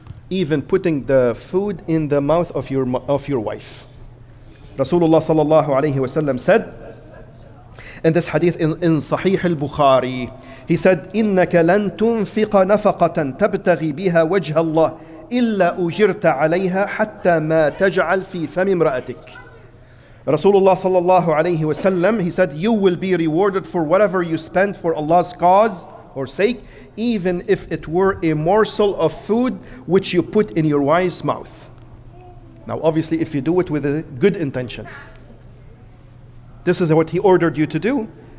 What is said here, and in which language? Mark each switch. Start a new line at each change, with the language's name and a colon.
English: Even putting the food in the mouth of your wife. Rasulullah sallallahu alayhi wa sallam said, in this hadith in Sahih al-Bukhari, he said,
Arabic: إِنَّكَ لَن تُنْفِقَ نَفَقَةً تَبْتَغِي بِهَا وَجْهَ اللَّهِ إِلَّا أُجِرْتَ عَلَيْهَا حَتَّى مَا تَجْعَلْ فِي فَمِ امْرَأَتِكَ.
English: Rasulullah sallallahu alayhi wa sallam, he said, you will be rewarded for whatever you spend for Allah's cause or sake, even if it were a morsel of food which you put in your wife's mouth. Now obviously, if you do it with a good intention, this is what he ordered you to do.